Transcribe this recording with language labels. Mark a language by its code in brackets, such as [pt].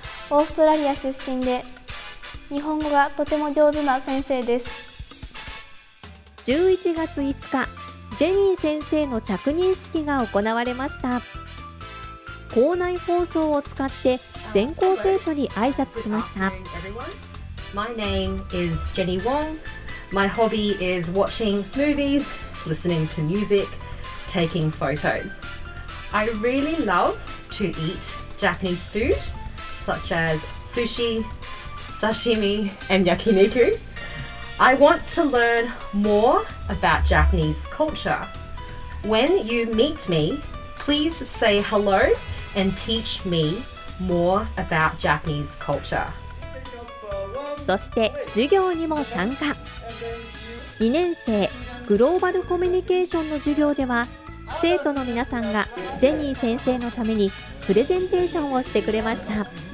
[ja] オーストラリア出身で日本語がとても上手な先生です。 11月5日、ジェニー先生の着任式が行われました。校内放送を使って全校生徒に挨拶しました。 [en] My name is Jenny Wong. My hobby is watching movies, listening to music, taking photos. I really love to eat Japanese food, such as sushi, sashimi, and yakiniku. I want to learn more about Japanese culture. When you meet me, please say hello and teach me more about Japanese culture. [ja] そして授業にも参加。 2年生グローバルコミュニケーションの授業では、生徒の皆さんがジェニー先生のためにプレゼンテーションをしてくれました。